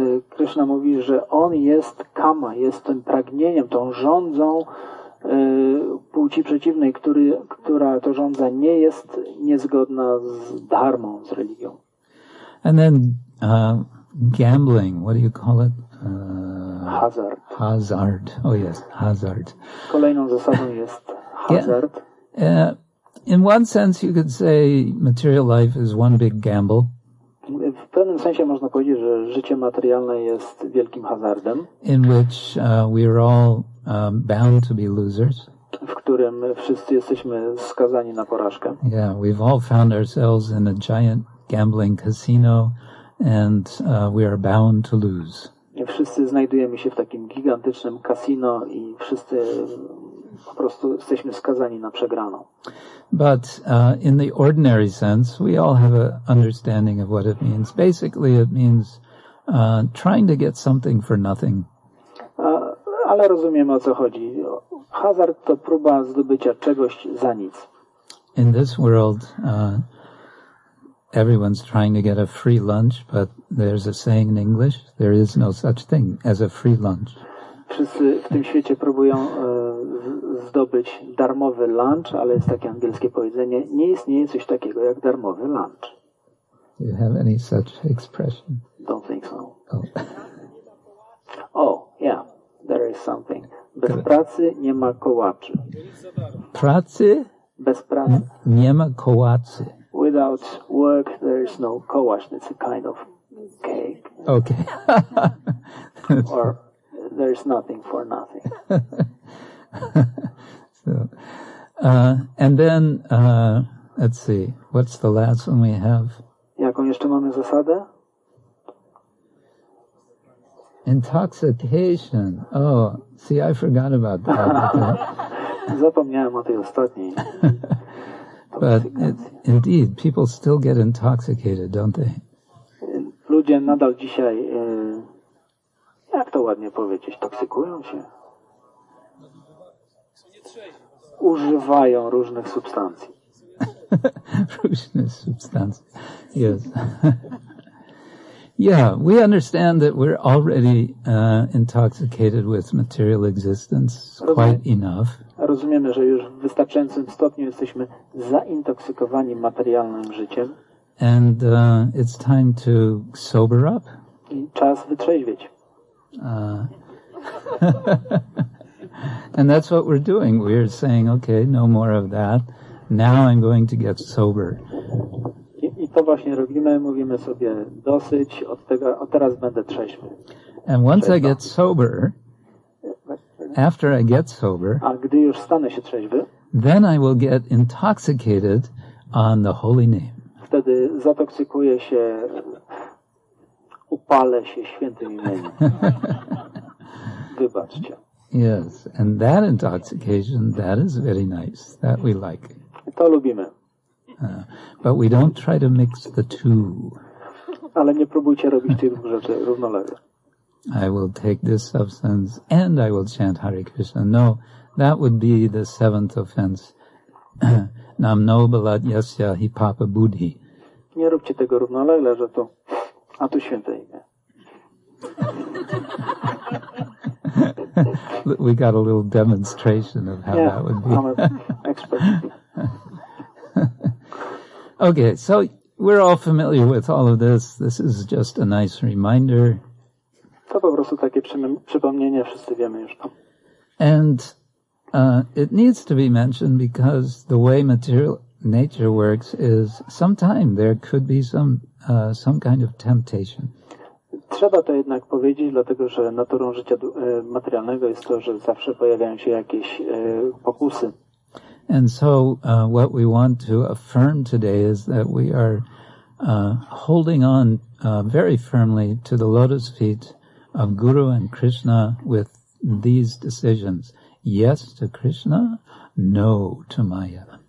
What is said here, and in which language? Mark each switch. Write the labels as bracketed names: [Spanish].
[Polish] Krishna mówi, że on jest kama, jest tym pragnieniem, tą żądzą płci przeciwnej, która to żądza nie jest niezgodna z dharmą, z religią. [English] And then gambling, what do you call it? [Polish] Hazard. [English] Oh yes, hazard. [Polish] Kolejną zasadą jest hazard. [English] Yeah. In one sense you could say material life is one big gamble. [Polish] W pewnym sensie można powiedzieć, że życie materialne jest wielkim hazardem. [English] In which we are all bound to be losers. [Polish] W którym wszyscy jesteśmy skazani na porażkę. [English] Yeah, we've all found ourselves in a giant gambling casino and we are bound to lose. [Polish] Wszyscy znajdujemy się w takim gigantycznym kasino i wszyscy po prostu jesteśmy skazani na przegraną. [English] But in the ordinary sense, we all have an understanding of what it means. Basically, it means trying to get something for nothing. [Polish] Ale rozumiemy, o co chodzi. Hazard to próba zdobycia czegoś za nic. [English] In this world, everyone's trying to get a free lunch, but there's a saying in English, there is no such thing as a free lunch. [Polish] Wszyscy w tym świecie próbują zdobyć darmowy lunch, ale jest takie angielskie powiedzenie, nie istnieje coś takiego jak darmowy lunch. [English] Do you have any such expression? Don't think so. Oh, oh yeah, there is something. [Polish] Bez pracy nie ma kołaczy. Pracy? Bez pracy. Nie ma kołaczy. [English] Without work, there is no kołacz. It's a kind of cake. Okay. Or there is nothing for nothing. So, and then, let's see. What's the last one we have? [Polish] Jaką jeszcze mamy zasadę? [English] Intoxication. Oh, see, I forgot about that. [Polish] Zapomniałem o tej ostatniej. [English] But indeed, people still get intoxicated, don't they? [Polish] Ludzie nadal dzisiaj, jak to ładnie powiedzieć, toksykują się. Używają różnych substancji. Różnych substancji. [English] Yes. Yeah, we understand that we're already intoxicated with material existence quite enough. [Polish] Rozumiemy, że już w wystarczającym stopniu jesteśmy zaintoksykowani materialnym życiem. [English] And it's time to sober up. [Polish] I czas wytrzeźwieć. [English] And that's what we're doing. We're saying, okay, no more of that. Now I'm going to get sober. [Polish] I to właśnie robimy, mówimy sobie dosyć, od tego, a teraz będę trzeźwy. [English] And once I get sober, after I get sober, [Polish] a gdy już stanę się trzeźwy, [English] then I will get intoxicated on the holy name. [Polish] Wtedy zatoksykuję się, upalę się świętym imieniem. Wybaczcie. [English] Yes, and that intoxication, that is very nice, that we like. [Polish] To lubimy. [English] But we don't try to mix the two. [Polish] Ale nie próbujcie robić tych dwóch rzeczy równolegle. [English] I will take this substance and I will chant Hare Krishna. No, that would be the seventh offense. [Sanskrit] Namno balat yasya hi papa buddhi. [Polish] Nie róbcie tego równolegle, że to, a tu święte imię. [English] We got a little demonstration of how that would be. Okay, so we're all familiar with all of this. This is just a nice reminder. [Polish] To po prostu takie przypomnienie, wszyscy wiemy już to. [English] And it needs to be mentioned because the way material nature works is sometime there could be some kind of temptation. [Polish] Trzeba to jednak powiedzieć, dlatego że naturą życia materialnego jest to, że zawsze pojawiają się jakieś pokusy. [English] And so what we want to affirm today is that we are holding on very firmly to the lotus feet of Guru and Krishna with these decisions. Yes to Krishna, no to Maya.